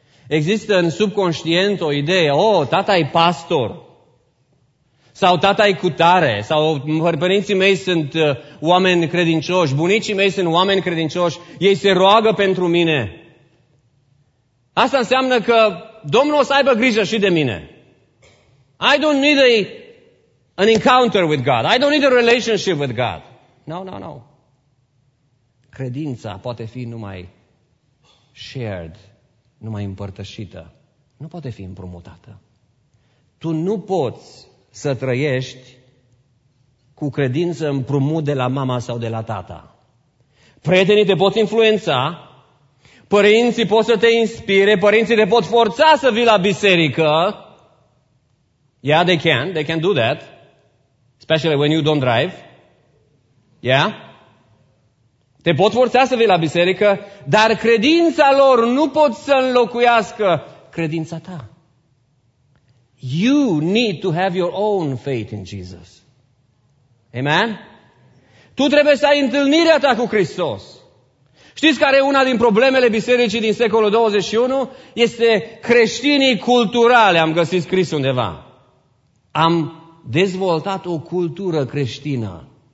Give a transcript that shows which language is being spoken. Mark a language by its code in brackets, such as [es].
[ro] Există în subconștient o idee, tata e pastor, sau tata e cutare, sau părinții mei sunt oameni credincioși, bunicii mei sunt oameni credincioși, ei se roagă pentru mine. Asta înseamnă că Domnul o să aibă grijă și de mine. [en] I don't need an encounter with God, I don't need a relationship with God. No. [ro] Credința poate fi numai shared, numai împărtășită, nu poate fi împrumutată. Tu nu poți să trăiești cu credință împrumut de la mama sau de la tata. Prietenii te pot influența, părinții pot să te inspire, părinții te pot forța să vii la biserică. [en] Yeah, they can do that. Especially when you don't drive. Yeah? [ro] Te pot forța să vii la biserică, dar credința lor nu pot să înlocuiască credința ta. [en] You need to have your own faith in Jesus. Amen? [ro] Tu trebuie să ai întâlnirea ta cu Hristos. Știți care e una din problemele bisericii din secolul 21? Este creștinii culturale, am găsit scris undeva. Am dezvoltat o cultură creștină.